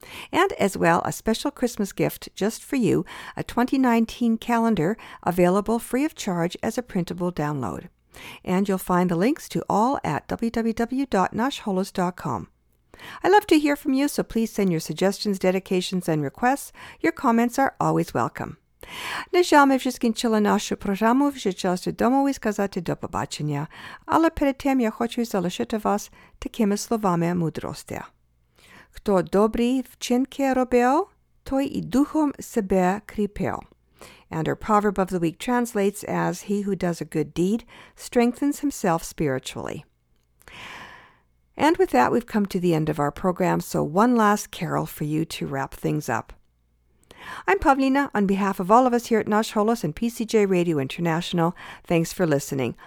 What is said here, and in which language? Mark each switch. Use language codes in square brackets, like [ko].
[en] And as well, a special Christmas gift just for you, a 2019 calendar available free of charge as a printable download. And you'll find the links to all at www.nashholos.com. I love to hear from you, so please send your suggestions, dedications, and requests. Your comments are always welcome. [uk] Нажами вже скінчила нашу програму, вже час додому і сказати до побачення. Але перед тим я хочу залишити вас такими словами мудрості. Хто добрі вчинки робив, той і духом себе кріпив. [en] And our proverb of the week translates as, "He who does a good deed strengthens himself spiritually." And with that, we've come to the end of our program, so one last carol for you to wrap things up. I'm Pavlina. On behalf of all of us here at Nash Holos and PCJ Radio International, thanks for listening.